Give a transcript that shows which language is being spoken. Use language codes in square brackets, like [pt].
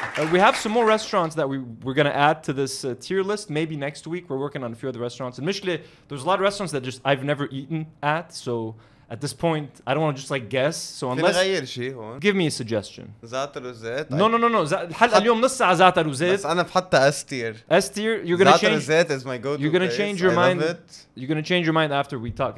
[en] We have some more restaurants that we're going to add to this tier list. Maybe next week. We're working on a few other restaurants. And Mishle, there's a lot of restaurants that just I've never eaten at. So at this point, I don't want to just like guess. So unless... give me a suggestion. [ar] Zaatar وزيت. [en] No. [ar] اليوم نص ساعة Zaatar وزيت. بس أنا بحطها S-tier. [en] S-tier? You're going to change... Zaatar وزيت is my go-to You're going to change your mind. I love it. You're going to change your mind after we talk.